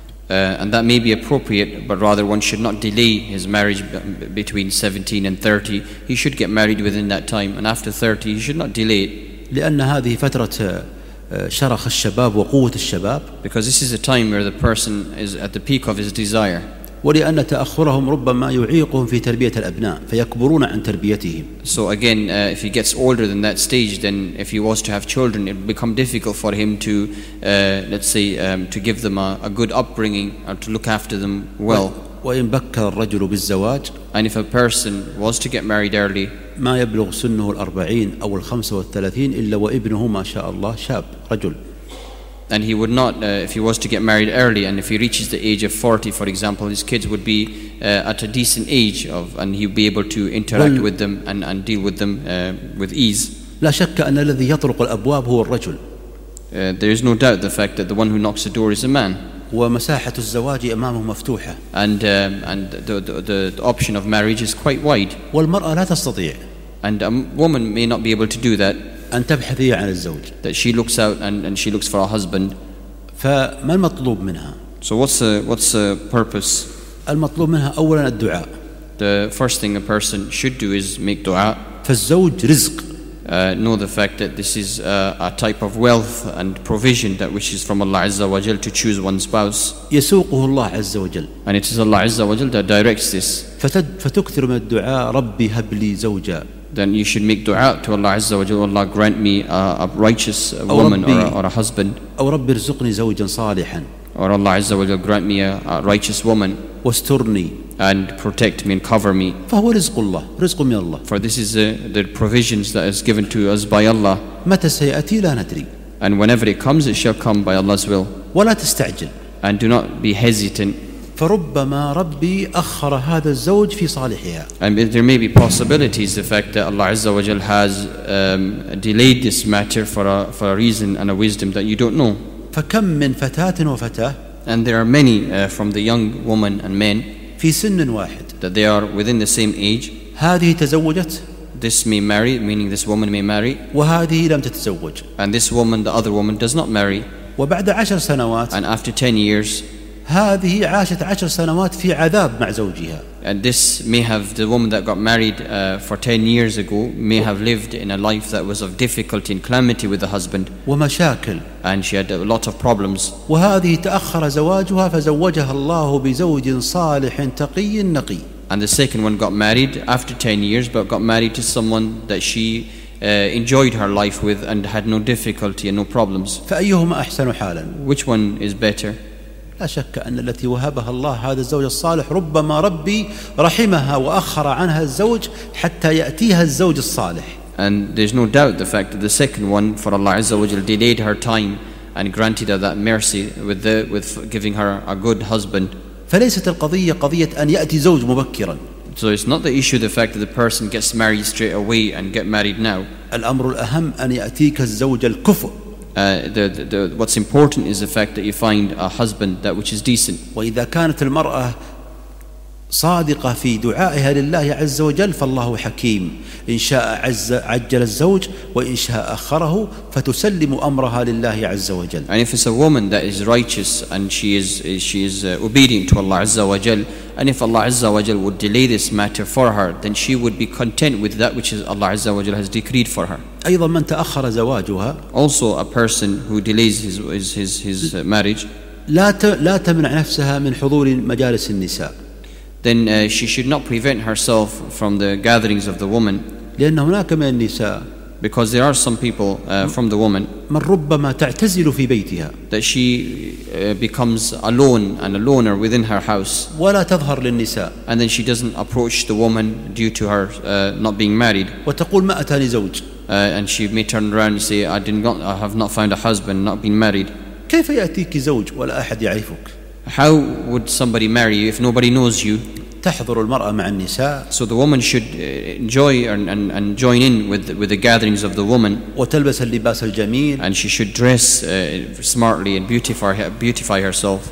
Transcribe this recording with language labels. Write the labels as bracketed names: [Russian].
[English] And that may be appropriate, but rather one should not delay his marriage between 17 and 30. He should get married within that time, and after 30 he should not delay it. [Arabic] لأن هذه فترة شرخ الشباب وقوة الشباب. [English] Because this is a time where the person is at the peak of his desire. [Arabic] ولأن تأخرهم ربما يعيقهم في تربية الأبناء فيكبرون عن تربيتهم. [English] So again, if he gets older than that stage, then if he was to have children, it would become difficult for him to, let's say, to give them a good upbringing or to look after them well. [Arabic] وإن بكر الرجل بالزواج. [English] And if a person was to get married early. [Arabic] ما يبلغ سنه الأربعين أو الخمسة والثلاثين إلا وابنه ما شاء الله شاب رجل. [English] And he would not, if he was to get married early, and if he reaches the age of 40, for example, his kids would be at a decent age of, and he would be able to interact with them and deal with them with ease. [Arabic] لا شك أن الذي يطرق الأبواب هو الرجل. [English] There is no doubt the fact that the one who knocks the door is a man. [Arabic] ومساحة الزواج أمامه مفتوحة. [English] And the option of marriage is quite wide. [Arabic] والمرأة لا تستطيع. [English] And a woman may not be able to do that. [Arabic] أن تبحثي عن الزوج. [English] That she looks out and she looks for a husband. [Arabic] فما المطلوب منها؟ [English] So what's the purpose? [Arabic] المطلوب منها أولا الدعاء. [English] The first thing a person should do is make دعاء. [Arabic] فالزوج رزق. [English] Know the fact that this is a type of wealth and provision that which is from Allah عز وجل to choose one spouse. [Arabic] يسوقه الله عز وجل. [English] And it is Allah عز وجل that directs this. [Arabic] فتكثر من الدعاء ربي هب لي زوجا. [English] Then you should make dua to Allah Azza wa Jalla, Allah grant me a righteous woman or a husband. [Arabic] أو ربي ارزقني زوجا صالحا. [English] Or Allah Azza wa Jalla grant me a righteous woman. [Arabic] واسترني. [English] And protect me and cover me. [Arabic] فهو رزق الله، رزق من الله. [English] For this is the provisions that is given to us by Allah. [Arabic] متى سيأتي لا ندري. [English] And whenever it comes, it shall come by Allah's will. [Arabic] ولا تستعجل. [English] And do not be hesitant. [Arabic] فربما ربي أخر هذا الزوج في صالحها. [English] And there may be possibilities the fact that Allah Azza wa Jal has delayed this matter for a reason and a wisdom that you don't know. [Arabic] فكم من فتاة وفتاة. [English] And there are many from the young woman and men. [Arabic] في سن واحد. [English] That they are within the same age. [Arabic] هذه تزوجت. [English] This may marry, meaning this woman may marry. [Arabic] وهذه لم تتزوج. [English] And this woman, the other woman, does not marry. [Arabic] وبعد عشر سنوات. [English] And after 10 years. [Arabic] هذه عاشت عشر سنوات في عذاب مع زوجها. [English] And this may have, the woman that got married for 10 years ago may have lived in a life that was of difficulty and calamity with the husband. [Arabic] ومشاكل. [English] And she had a lot of problems. [Arabic] وهذه تأخر زواجها فزوجها الله بزوج صالح تقي نقي. [English] And the second one got married after 10 years but got married to someone that she enjoyed her life with and had no difficulty and no problems. [Arabic] فأيهما أحسن حالا. [English] Which one is better? [Arabic] لا شك أن التي وهبها الله هذا الزوج الصالح ربما ربي رحمها وأخر عنها الزوج حتى يأتيها الزوج الصالح. [English] And there's no doubt the fact that the second one for Allah Azza wa Jal delayed her time and granted her that mercy with giving her a good husband. [Arabic] فليست القضية قضية أن يأتي زوج مبكرا. [English] So it's not the issue the fact that the person gets married straight away and get married now. [Arabic] الأمر الأهم أن يأتيك الزوج الكفؤ. [English] What's important is the fact that you find a husband that which is decent. [Arabic] وإذا كانت المرأة صادقة في دعائها لله عز وجل فالله حكيم إن شاء عجل الزوج وإن شاء أخره فتسلم أمرها لله عز وجل. [English] And if it's a woman that is righteous and she is obedient to Allah عز وجل, and if Allah عز وجل would delay this matter for her, then she would be content with that which is Allah عز وجل has decreed for her. [Arabic] أيضا من تأخر زواجها, [English] also a person who delays his marriage, [Arabic] لا تمنع نفسها من حضور مجالس النساء. [English] Then she should not prevent herself from the gatherings of the woman. [Arabic] لأن هناك من النساء, [English] because there are some people from the woman, [Arabic] من ربما تعتزل في بيتها, [English] that she becomes alone and a loner within her house, [Arabic] ولا تظهر للنساء, [English] and then she doesn't approach the woman due to her not being married. [Arabic] وتقول ما أتاني زوج, [English] and she may turn around and say, I have not found a husband, not been married. [Arabic] كيف يأتيك زوج ولا أحد يعرفك؟ [English] How would somebody marry you if nobody knows you? [Arabic] تحضر المرأة مع النساء. [English] So the woman should enjoy and join in with the gatherings of the woman. [Arabic] وتلبس اللباس الجميل. [English] And she should dress smartly and beautify herself.